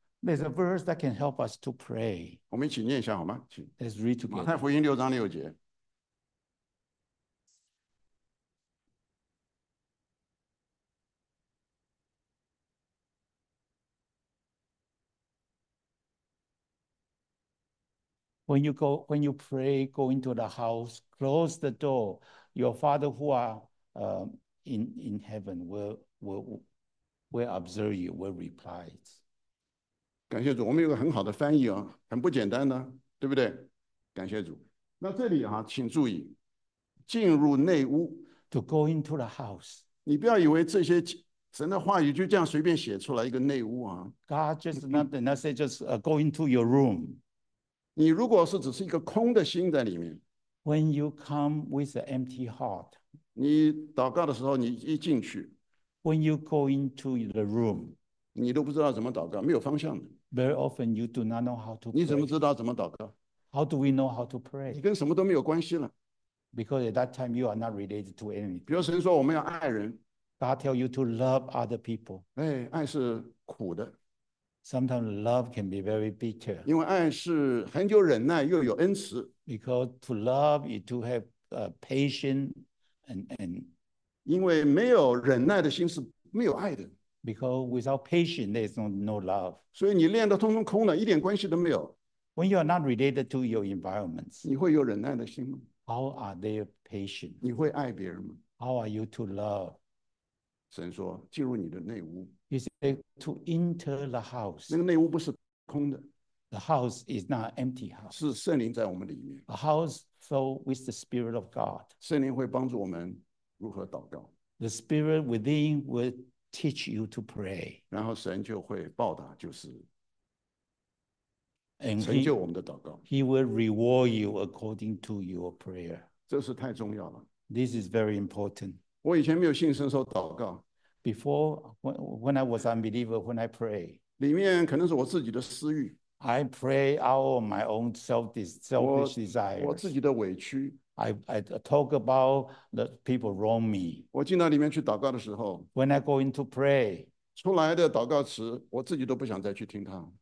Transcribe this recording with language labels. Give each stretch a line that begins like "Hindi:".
English: There's a verse that can help us to pray.
Chinese: 我们一起念一下好吗？请。
English: Let's read together.
Chinese: 马太福音六章六节。
English: When you pray, go into the house, close the door. Your Father who are in heaven will observe you, will reply.
Chinese: 感谢主，我们有个很好的翻译啊，很不简单的，对不对？感谢主。那这里啊，请注意，进入内屋。
English: To go into the house.
Chinese: 你不要以为这些神的话语就这样随便写出来一个内屋啊。
English: God just nothing. I say just go into your room.
Chinese: 你如果是只是一个空的心在里面
English: ，When you come with an empty heart，
Chinese: 你祷告的时候，你一进去
English: ，When you go into the room，
Chinese: 你都不知道怎么祷告，没有方向的。
English: Very often you do not know how to pray。
Chinese: 你怎么知道怎么祷告
English: ？How do we know how to pray？
Chinese: 你跟什么都没有关系了
English: ，Because at that time you are not related to anything。
Chinese: 比如神说我们要爱人
English: ，God tell you to love other people。
Chinese: 哎，爱是苦的。
English: Sometimes love can be very bitter.
Chinese: 因为爱是很久忍耐又有恩慈。
English: Because to love is to have patience and
Chinese: 因为没有忍耐的心是没有爱的。
English: Because without patience there is no love.
Chinese: 所以你练得通通空了，一点关系都没有。
English: When you are not related to your environments,
Chinese: 你会有忍耐的心吗？
English: How are they patient?
Chinese: 你会爱别人吗？
English: How are you to love?
Chinese: 神说，进入你的内屋。
English: He said to enter the house.
Chinese: 那个内屋不是空的。
English: The house is not empty house.
Chinese: 是圣灵在我们里面。
English: A house filled with the Spirit of God.
Chinese: 圣灵会帮助我们如何祷告。
English: The Spirit within will teach you to pray.
Chinese: 然后神就会报答，就是。
English: And
Chinese: 成就我们的祷告。
English: He will reward you according to your prayer.
Chinese: 这是太重要了。
English: This is very important.
Chinese: 我以前没有信神的时候祷告。
English: Before, when I was unbeliever, when I pray,
Chinese: 里面可能是我自己的私欲。
English: I pray out of my own selfish desires.
Chinese: 我自己的委屈。
English: I talk about the people wrong me.
Chinese: 我进到里面去祷告的时候。
English: When I go in to pray,
Chinese: 出来的祷告词，我自己都不想再去听它。